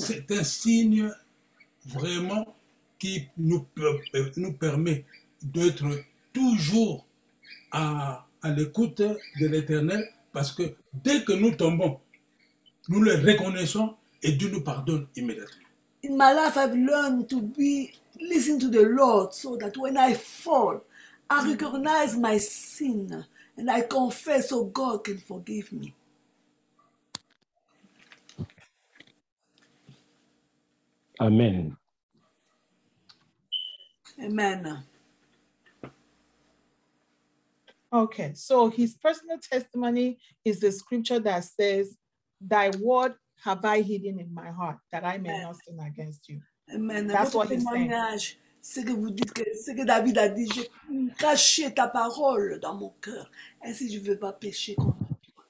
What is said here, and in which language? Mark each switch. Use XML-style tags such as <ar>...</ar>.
<fr>C'est un signe vraiment qui nous permet d'être toujours à l'écoute de l'Éternel parce que dès que nous tombons, nous le reconnaissons et Dieu nous pardonne immédiatement.</fr> <en>In my life, I've learned to be listen to the Lord so that when I fall, I recognize my sin and I confess so God can forgive me. Amen. Amen. Okay, so his personal testimony is the scripture that says, thy word have I hidden in my heart, that I may not sin against you. Amen. That's what he's saying.</en> <fr>Ce que vous dites, ce que David a dit, j'ai caché ta parole dans mon cœur. Ainsi, je ne veux pas pécher contre toi.</fr>